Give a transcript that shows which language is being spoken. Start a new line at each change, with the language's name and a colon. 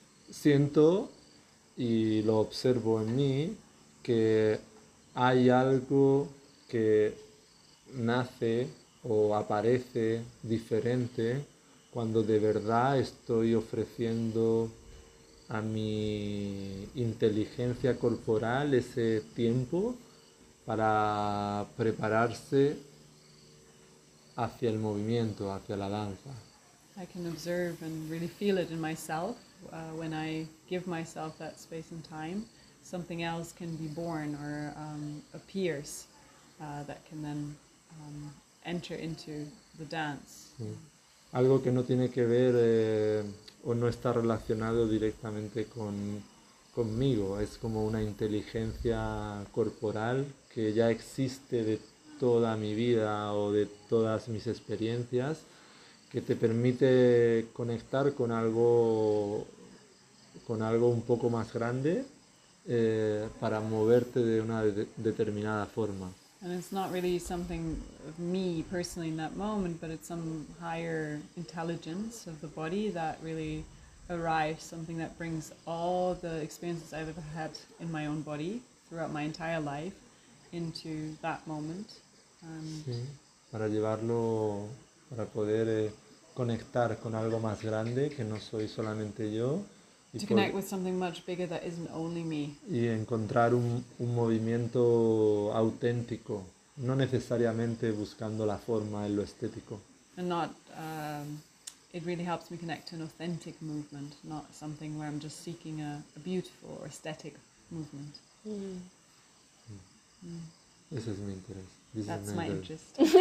Spanish: Siento y lo observo en mí que hay algo que nace o aparece diferente cuando de verdad estoy ofreciendo a mi inteligencia corporal ese tiempo para prepararse hacia el movimiento, hacia la danza.
English: I can observe and really feel it in myself when I give myself that space and time. Something else can be born or appears that can then enter into the dance.
Spanish: Algo que no tiene que ver o no está relacionado directamente conmigo. Es como una inteligencia corporal que ya existe de toda mi vida o de todas mis experiencias, que te permite conectar con algo un poco más grande para moverte de una determinada forma.
English: And it's not really something of me personally in that moment, but it's some higher intelligence of the body that really arrives, something that brings all the experiences I've ever had in my own body throughout my entire life into that moment. And
Spanish: sí, para llevarlo, para poder conectar con algo más grande, que no soy solamente yo.
English: To connect with something much bigger that isn't only me.
Spanish: Y encontrar un movimiento auténtico, no necesariamente buscando la forma en lo estético.
English: And not, it really helps me connect to an authentic movement, not something where I'm just seeking a beautiful or aesthetic movement. Mm. Mm. This is my interest. This That's is my interest.